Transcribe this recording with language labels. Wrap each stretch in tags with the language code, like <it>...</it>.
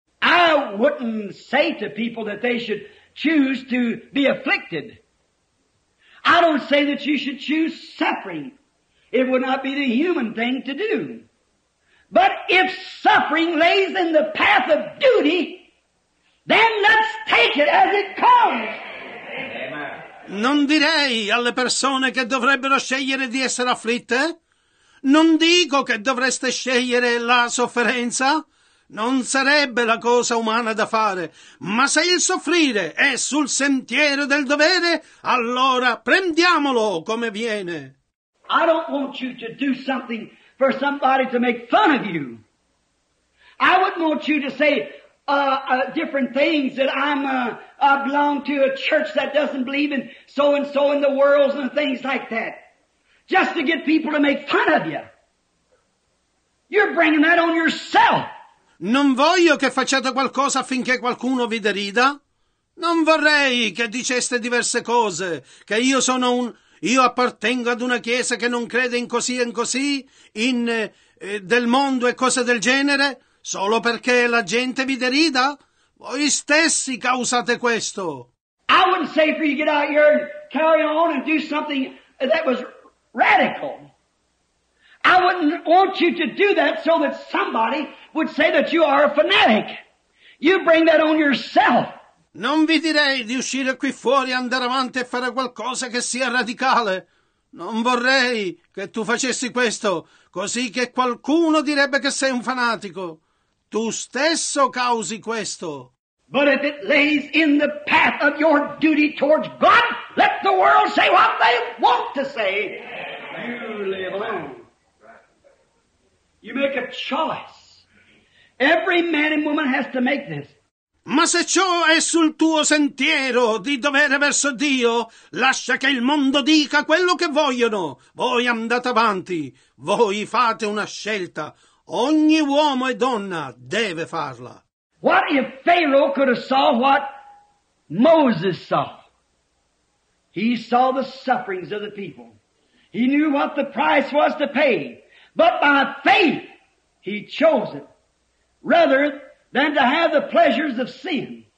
<en>I wouldn't say to people that they should choose to be afflicted. I don't say that you should choose suffering. It would not be the human thing to do. But if suffering lays in the path of duty, then let's take it as it comes.</en> <it>Non direi alle persone che dovrebbero scegliere di essere afflitte. Non dico che dovreste scegliere la sofferenza. Non sarebbe la cosa umana da fare. Ma se il soffrire è sul sentiero del dovere, allora prendiamolo come viene.</it> <en>I don't want you to do something for somebody to make fun of you. I wouldn't want you to say different things, that I belong to a church that doesn't believe in so-and-so in the world and things like that, just to get people to make fun of you. You're bringing that on yourself.</en> <it>Non voglio che facciate qualcosa affinché qualcuno vi derida. Non vorrei che diceste diverse cose, che io sono un... Io appartengo ad una chiesa che non crede in così e in così, in del mondo e cose del genere, solo perché la gente vi derida? Voi stessi causate questo.</it> <en>I wouldn't say for you to get out here and carry on and do something that was radical. I wouldn't want you to do that so that somebody would say that you are a fanatic. You bring that on yourself.</en> <it>Non vi direi di uscire qui fuori e andare avanti e fare qualcosa che sia radicale. Non vorrei che tu facessi questo, così che qualcuno direbbe che sei un fanatico. Tu stesso causi questo.</it> <en>But if it lays in the path of your duty towards God, let the world say what they want to say. You live alone. You make a choice. Every man and woman has to make this.</en> <it>Ma se ciò è sul tuo sentiero di dovere verso Dio, lascia che il mondo dica quello che vogliono. Voi andate avanti, voi fate una scelta. Ogni uomo e donna deve farla.</it> <en>What if Pharaoh could have saw what Moses saw? He saw the sufferings of the people. He knew what the price was to pay. But by faith he chose it. Rather than to have the pleasures of sin.</en>